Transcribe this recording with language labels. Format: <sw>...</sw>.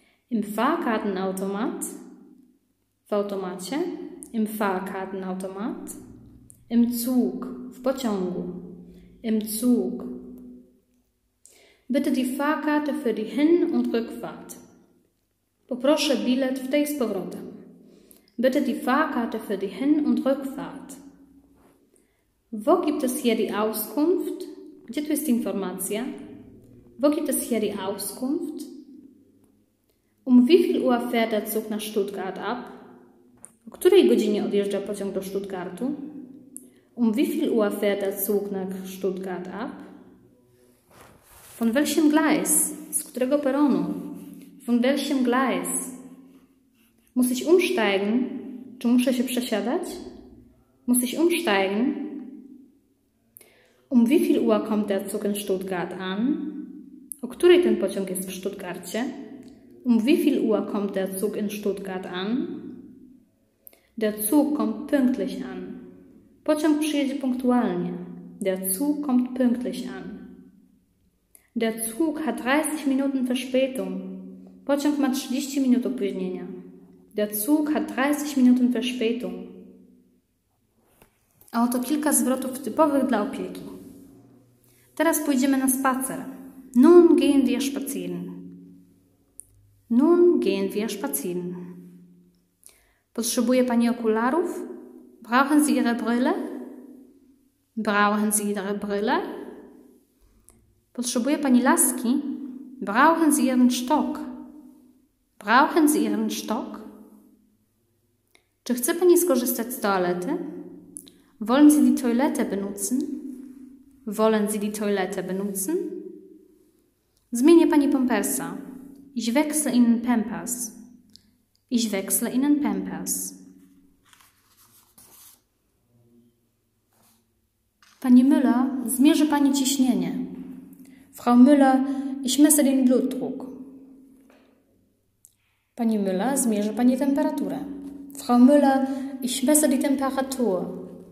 <de>Im Fahrkartenautomat.</de> <pl>W automacie.</pl> <de>Im Fahrkartenautomat. Im Zug.</de> <pl>W pociągu.</pl> <de>Im Zug. Bitte die Fahrkarte für die Hin- und Rückfahrt.</de> <pl>Poproszę bilet w tej z powrotem.</pl> <de>Bitte die Fahrkarte für die Hin- und Rückfahrt. Wo gibt es hier die Auskunft?</de> <pl>Gdzie tu jest informacja?</pl> <de>Wo gibt es hier die Auskunft? Um wie viel Uhr fährt der Zug nach Stuttgart ab?</de> <pl>O której godzinie odjeżdża pociąg do Stuttgartu?</pl> <de>Um wie viel Uhr fährt der Zug nach Stuttgart ab? Von welchem Gleis?</de> <pl>Z którego peronu?</pl> <de>Von welchem Gleis? Muss ich umsteigen?</de> <pl>Czy muszę się przesiadać?</pl> <de>Muss ich umsteigen? Um wie viel Uhr kommt der Zug in Stuttgart an?</de> <pl>O której ten pociąg jest w Stuttgarcie?</pl> <de>Um wie viel Uhr kommt der Zug in Stuttgart an? Der Zug kommt pünktlich an.</de> <pl>Pociąg przyjedzie punktualnie.</pl> <de>Der Zug kommt pünktlich an. Der Zug hat 30 Minuten Verspätung.</de> <pl>Pociąg ma 30 minut opóźnienia.</pl> <de>Der Zug hat 30 Minuten Verspätung.</de> <pl>A oto kilka zwrotów typowych dla opieki. Teraz pójdziemy na spacer.</pl> <de>Nun gehen wir spazieren. Nun gehen wir spazieren.</de> <pl>Potrzebuje pani okularów?</pl> <de>Brauchen Sie Ihre Brille? Brauchen Sie Ihre Brille?</de> <pl>Potrzebuje pani laski?</pl> <de>Brauchen Sie Ihren Stock? Brauchen Sie Ihren Stock?</de> <pl>Czy chce pani skorzystać z toalety?</pl> <de>Wollen Sie die Toilette benutzen? Wollen Sie die Toilette benutzen?</de> <pl>Zmienię pani pampersa.</pl> <de>Ich wechsle Ihnen Pampers. Ich wechsle Ihnen Pampers.</de> <pl>Pani Müller, zmierzy pani ciśnienie.</pl> <de>Frau Müller, ich messe den Blutdruck.</de> <pl>Pani Müller, zmierzy pani temperaturę.</pl> <de>Frau Müller, ich messe die Temperatur.</de>